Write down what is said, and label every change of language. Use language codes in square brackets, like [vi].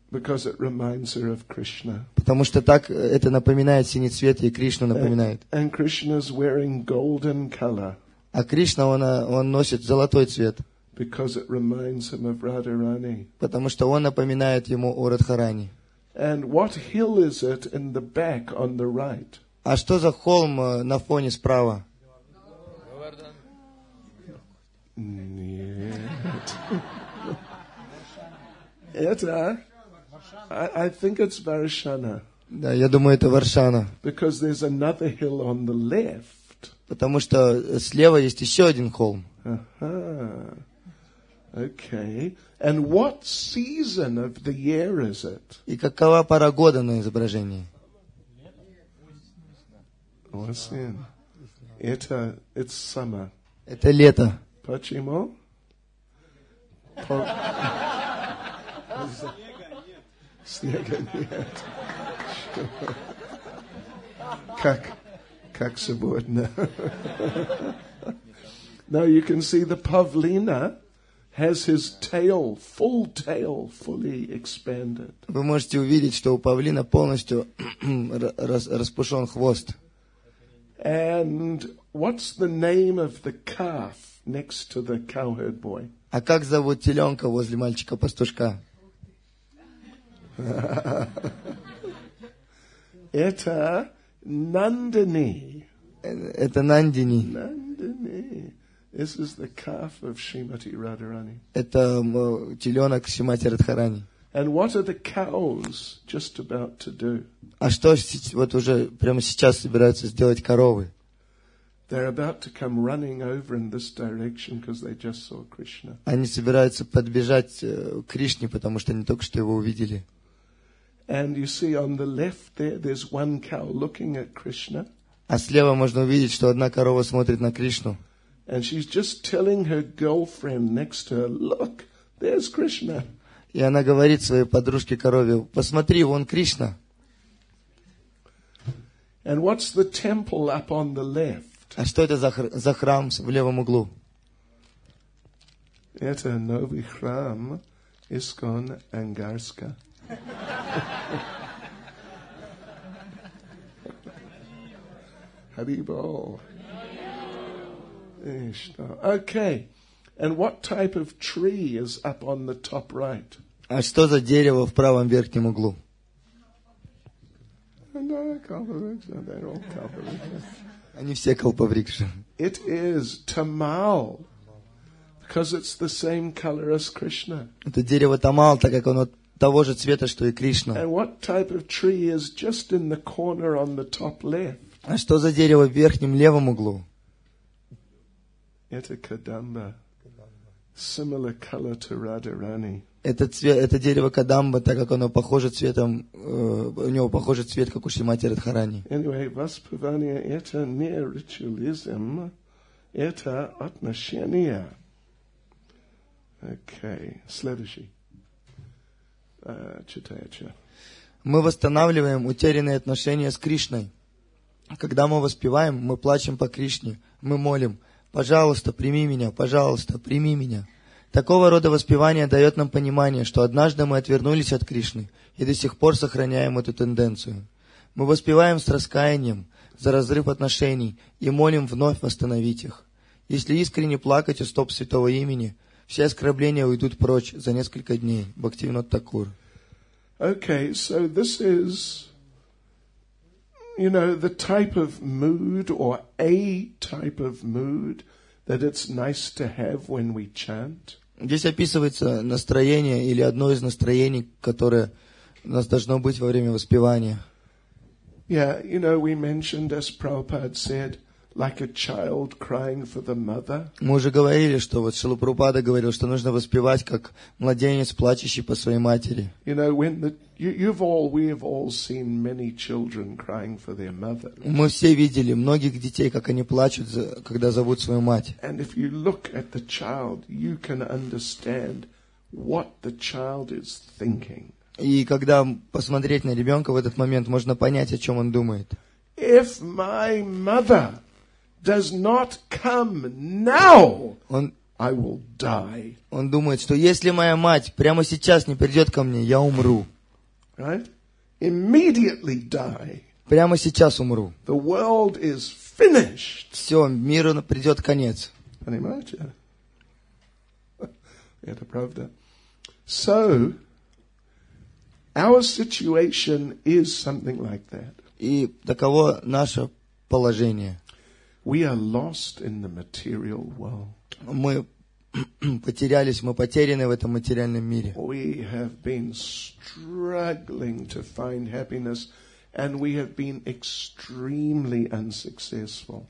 [en] Because it reminds her of Krishna. [ru] Потому что так это напоминает синий цвет, и Кришну напоминает. [en] And Krishna's wearing golden color. [ru] А Кришна, он носит золотой цвет. [en] Because it reminds him of Radharani. [ru] Потому что он напоминает ему о Радхарани. [en] And what hill is it in the back on the right? [ru] А что за холм на фоне справа? Нет. Это? [en] I think it's Varshana. [ru] Да, я думаю, это Варшана. [en] Because there's another hill on the left. [ru] Потому что слева есть еще один холм. [en] Okay. And what season of the year is it? [ru] И какова пора года на изображении? [en] It's summer. [ru] Это лето. Почему? Снега нет. Как сегодня. [en] Now you can see the pavlina has his tail, full tail, fully expanded. [ru] Вы можете увидеть, что у павлина полностью распушен хвост. [en] And what's the name of the calf next to the cowherd boy? [ru] А как зовут теленка возле мальчика-пастушка? Это Нандини. Это Нандини. [en] Нандини. This is the calf of Shrimati Radharani. [ru] Это теленок Шримати Радхарани. [en] And what are the cows just about to do? [ru] А что вот уже прямо сейчас собираются сделать коровы? [en] They're about to come running over in this direction because they just saw Krishna. [ru] Они собираются подбежать к Кришне, потому что они только что его увидели. [en] And you see on the left there, there's one cow looking at Krishna. [ru] А слева можно увидеть, что одна корова смотрит на Кришну. [en] And she's just telling her girlfriend next to her, look, there's Krishna. [ru] И она говорит своей подружке корове, посмотри, вон Кришна. [en] And what's the temple up on the left? [ru] А что это за храм в левом углу? Это новый храм Искон Ангарска. [en] Харибол. Okay. And what type of tree is up on the top right? [ru] А что за дерево в правом верхнем углу? Они все калпавриксы. [en] It is tamal. Because it's the same color as Krishna. [ru] Это дерево тамал, так как оно того же цвета, что и Кришна. [en] And what type of tree is just in the corner on the top left? [ru] А что за дерево в верхнем левом углу? Это кадамба. [en] Similar color to Radharani. [ru] это дерево кадамба, так как оно похоже цветом, у него похожий цвет, как у Шримати Радхарани. [en] Anyway, [ru] воспевание – это не ритуализм, это отношение. Okay, следующий. Читаю. Мы восстанавливаем утерянные отношения с Кришной. Когда мы воспеваем, мы плачем по Кришне, мы молим: «Пожалуйста, прими меня, пожалуйста, прими меня». Такого рода воспевание дает нам понимание, что однажды мы отвернулись от Кришны и до сих пор сохраняем эту тенденцию. Мы воспеваем с раскаянием за разрыв отношений и молим вновь восстановить их. Если искренне плакать у стоп святого имени, все оскорбления уйдут прочь за несколько дней. Бхактивинод Такур. [en] Okay, so this is, you know, the type of mood or a type of mood that it's nice to have when we chant. [ru] Здесь описывается настроение или одно из настроений, которое у нас должно быть во время воспевания. [en] Yeah, you know, we mentioned, as Prabhupada said, like a child crying for the mother. [ru] Мы уже говорили, что вот Шрила Прабхупада говорил, что нужно воспевать как младенец, плачущий по своей матери. [en] You know, when we have all seen many children crying for their mother. [ru] Мы все видели многих детей, как они плачут, когда зовут свою мать. [en] And if you look at the child, you can understand what the child is thinking. [ru] И когда посмотреть на ребенка в этот момент, можно понять, о чем он думает. [en] If my mother does not come now, I will die. [ru] Он думает, что если моя мать прямо сейчас не придет ко мне, я умру. [en] Right? Immediately die. [ru] Прямо сейчас умру. [en] The world is finished. [ru] Все, миру придет конец. Понимаете? Это правда. [en] So, our situation is something like that. [ru] И таково наше положение. [en] We are lost in the material world. [ru] Мы потерялись, мы потеряны в этом материальном мире. [en] We have been struggling to find happiness, and we have been extremely unsuccessful.